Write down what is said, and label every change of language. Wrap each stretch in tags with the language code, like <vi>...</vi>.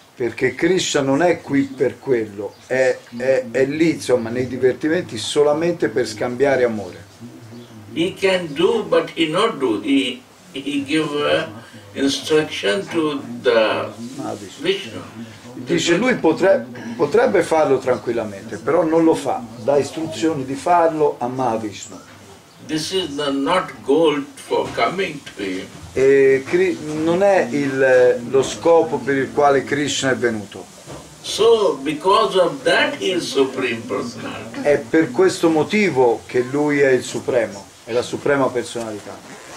<it>Perché Krishna non è qui per quello, è lì, insomma, nei divertimenti solamente per scambiare amore.</it> <en>He can do but he not do. He give instruction to the Vishnu.</en> <it>Dice lui potrebbe farlo tranquillamente, però non lo fa. Dà istruzioni di farlo a Mahavishnu.</it> <en>This is the not goal for coming to him.</en> <it>E non è lo scopo per il quale Krishna è venuto.</it> <en>So because of that he is supreme personality.</en> <it>È per questo motivo che lui è il supremo, è la suprema personalità.</it>